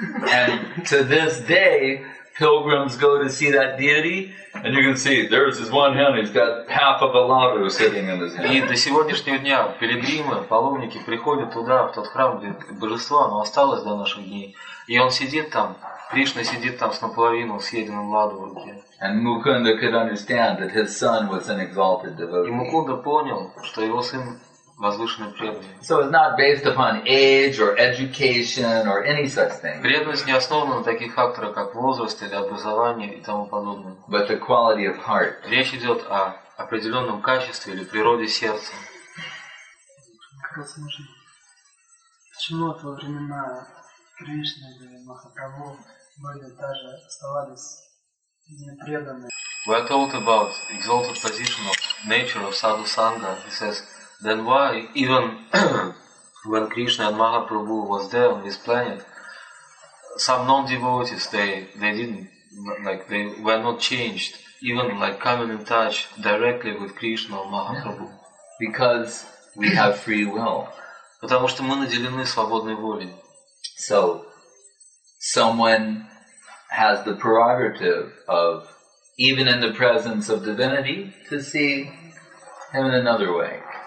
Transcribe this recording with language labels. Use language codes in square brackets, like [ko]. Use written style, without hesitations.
[en] And to this day, pilgrims go to see that deity, and you can see there's this one hand, he's got half of a ladu sitting in his hand. [ru] И до сегодняшнего дня пилигримы, паломники приходят туда, в тот храм, где божество, оно осталось до наших дней. И он сидит там, Кришна сидит там с наполовину съеденным ладу в руке. [en] And Mukunda could understand that his son was an exalted devotee. [ru] И Mukunda понял, что его сын возвышенный преданный. [en] So it's not based upon age or education or any such thing. [ru] Преданность не основана на таких факторах, как возраст или образование и тому подобное. [en] But the quality of heart. [ru] Речь идет о определенном качестве или природе сердца. Почему в то времена Кришна или Махапрабху были даже оставались непреданными? [en] We are told about exalted position of nature of sadhu sangha. He says, then why, even when Krishna and Mahaprabhu was there on this planet, some non-devotees, they didn't, like, they were not changed, even like coming in touch directly with Krishna or Mahaprabhu. Yeah. Because we have free will. [ru] Потому что мы наделены свободной волей. [en] So, someone has the prerogative of, even in the presence of divinity, to see him in another way.